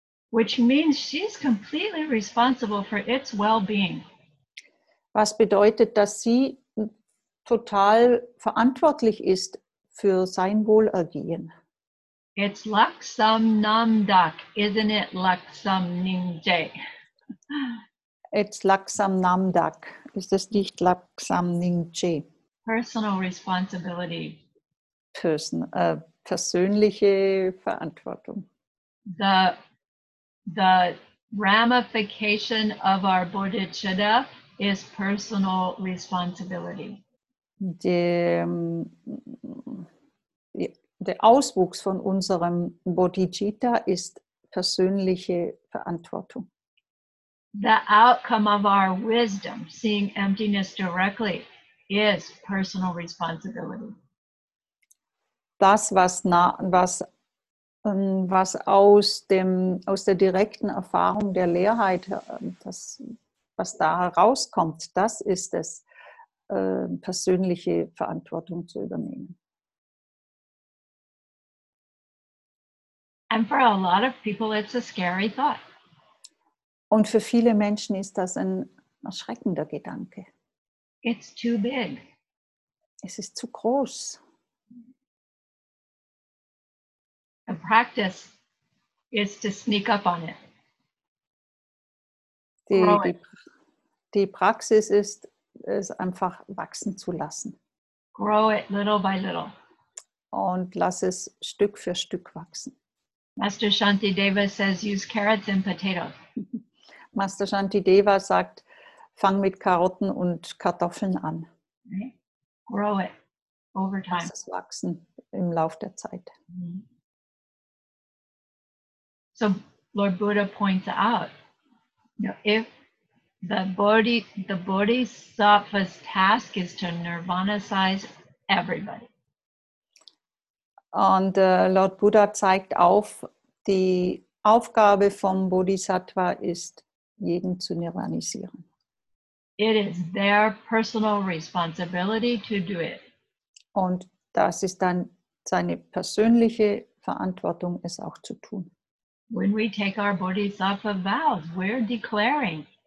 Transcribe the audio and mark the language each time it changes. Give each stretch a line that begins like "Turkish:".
English: Which means she's completely responsible for its well-being.
German: Was bedeutet, dass sie total verantwortlich ist für sein Wohlergehen?
English: It's Laksam Nam Dak, isn't it Laksam Ning Je? It's
German: Laksam Nam Dak, ist es nicht Laksam Ning Je?
English: Personal responsibility.
German: Persönliche Verantwortung.
English: The ramification of our bodhicitta is personal responsibility.
German: Der Auswuchs von unserem bodhicitta ist persönliche Verantwortung.
English: The outcome of our wisdom, seeing emptiness directly, is personal responsibility.
German: Das, was aus der direkten Erfahrung der Leerheit, das, was da herauskommt, das ist es, persönliche Verantwortung zu übernehmen.
English: And for a lot of people, it's a scary thought.
German: Und für viele Menschen ist das ein erschreckender Gedanke.
English: It's too big.
German: Es ist zu groß.
English: The practice is to sneak up on it.
German: Die Praxis ist, es einfach wachsen zu lassen.
English: Grow it little by little.
German: Und lass es Stück für Stück wachsen.
English: Master Shantideva says, use carrots and potatoes.
German: Master Shantideva sagt, fang mit Karotten und Kartoffeln an.
English: Okay. Grow it over time.
German: Lass es wachsen im Lauf der Zeit.
English: So Lord Buddha points out, if the bodhisattva's task is to nirvanize everybody.
German: Und Lord Buddha zeigt auf, die Aufgabe vom Bodhisattva ist, jeden zu nirvanisieren.
English: It is their personal responsibility to do it.
German: Und das ist dann seine persönliche Verantwortung, es auch zu tun.
English: When we take our bodhisattva vows, we're declaring.